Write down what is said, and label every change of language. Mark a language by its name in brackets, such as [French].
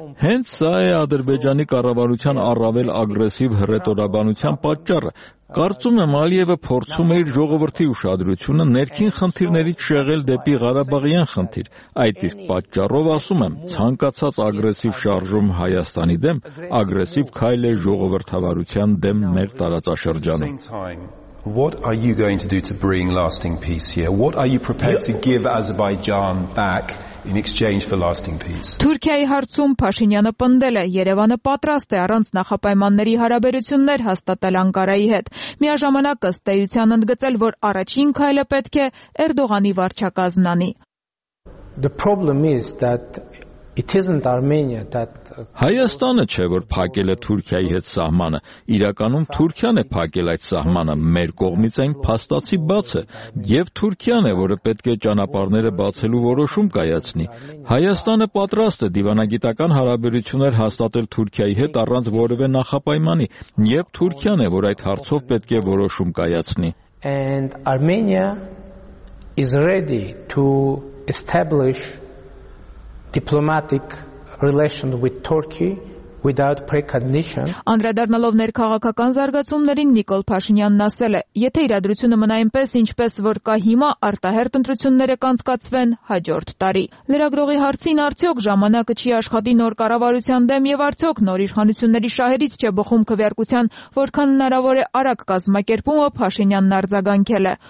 [Armenian] Հենց սա է Ադրբեջանի կառավարության առավել ագրեսիվ հռետորաբանության պատճառը։ Կարծում եմ Ալիևը փորձում է իր ժողովրդի ուշադրությունը ներքին խնդիրներից շեղել դեպի Ղարաբաղյան խնդիր։ Այդ իսկ պատճառով ասում եմ, ցանկացած ագրեսիվ շարժում Հայաստանի դեմ ագրեսիվ քայլ է ժողովրդավարության դեմ մեր տարածաշրջանում։ [English] What are you going to do to bring lasting peace here? What are you prepared to give Azerbaijan back in exchange for lasting peace? [Armenian] Թուրքիայի հարցում Փաշինյանը պնդել է, Երևանը պատրաստ է առանց նախապայմանների հարաբերություններ հաստատել Անկարայի հետ։ Միաժամանակ ըստեյության ընդգծել, որ առաջին քայլը պետք է Էրդողանի վարչակազմն անի։ [English] The problem is that it isn't Armenia that [Armenian] Հայաստանը չէ, որ փակել է Թուրքիայի հետ սահմանը, իրականում Թուրքիան է փակել այդ սահմանը, մեր կողմից այն փաստացի բաց է, եւ Թուրքիան է, որը պետք է ճանապարհները բացելու որոշում կայացնի։ Հայաստանը պատրաստ է դիվանագիտական հարաբերություններ հաստատել Թուրքիայի հետ առանց որևէ նախապայմանի, եւ Թուրքիան է, որ այդ հարցով պետք է որոշում կայացնի։ [English] And Armenia is ready to establish diplomatic relation with Turkey without precondition. [Armenian] Անդրադառնալով ներքաղաքական զարգացումներին Նիկոլ Փաշինյանն ասել է, եթե իրադրությունը մնա այնպես, ինչպես որ կա հիմա, արտահերտ ընտրությունները կանցկացվեն հաջորդ տարի։ Լրագրողի հարցին արդյոք ժամանակը չի աշխատի նոր կառավարության դեմ եւ արդյոք նոր իշխանությունների շահերից չէ բխում քվեարկության, որքան հնարավոր է արագ կազմակերպումը, Փաշինյանն արձագանքել է.